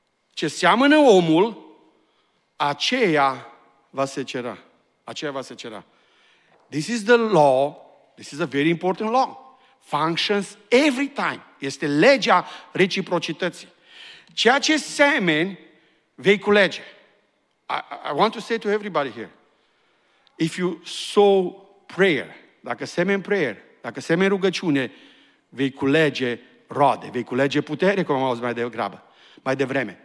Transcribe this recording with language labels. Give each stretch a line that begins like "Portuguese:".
Romanian: Ce seamănă omul, aceea va secera. Aceea va secera.
English: This is the law, this is a very important law. Functions every time.
Romanian: Este legea reciprocității. Ceea ce semeni, vei culege.
English: I want to say to everybody here, if you sow prayer,
Romanian: dacă semeni prayer, dacă semeni rugăciune, vei culege roade, vei culege putere, cum am auzit mai devreme.